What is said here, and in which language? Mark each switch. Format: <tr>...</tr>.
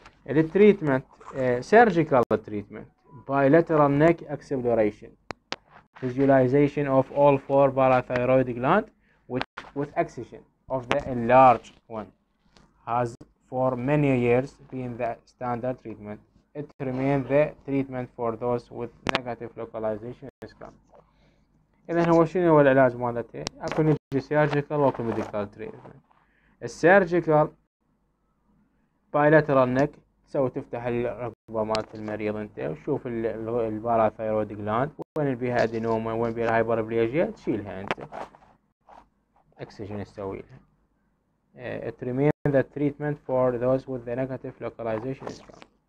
<en>التريتمنت surgical treatment by lateral neck exploration visualization of all four parathyroid gland with excision of the large one has for many years being the standard treatment. It remains the treatment for those with negative localization scan.</en> <ar>إذا هو شنو هو العلاج مالته؟ اكو نجي surgical وكو medical treatment. السيرجيكال bilateral neck تسوي تفتح الركبة مالت المريض انت وشوف الباراثايرويد جلاند وين بيها ادينوما وين بيها هايبربليجيا تشيلها انت اكسجين تسوي لها.</ar> <en>It remains the treatment for those with the negative localization scan.</en>